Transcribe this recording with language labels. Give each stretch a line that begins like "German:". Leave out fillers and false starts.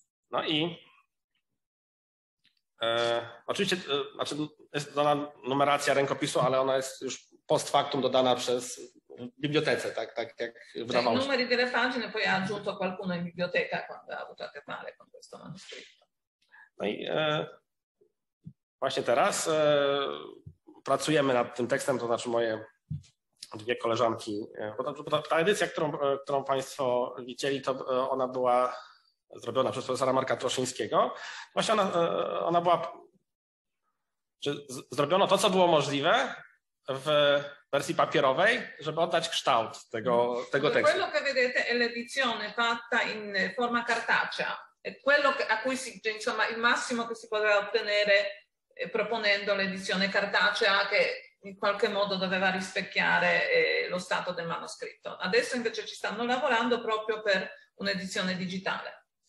Polish: No i oczywiście jest dodana numeracja rękopisu, ale ona jest już post factum dodana przez bibliotece, tak jak wydawało się.
Italian: Numer i delle pagine poi ha aggiunto qualcuno in biblioteca quando ha avuto a che fare con questo manoscritto.
Polish: No i właśnie teraz pracujemy nad tym tekstem, to znaczy moje dwie koleżanki. Ta edycja, którą Państwo widzieli, to ona była zrobiona przez profesora Marka Troszyńskiego. Właśnie ona była, czy zrobiono to, co było możliwe w wersji papierowej, żeby oddać kształt tego tekstu.
Italian: Quello che vedete è l'edizione fatta in forma cartacea. Quello a cui si, insomma, il massimo che si poteva ottenere proponendo l'edizione cartacea che in qualche modo doveva rispecchiare lo stato del manoscritto. Adesso invece ci stanno lavorando proprio per un'edizione digitale.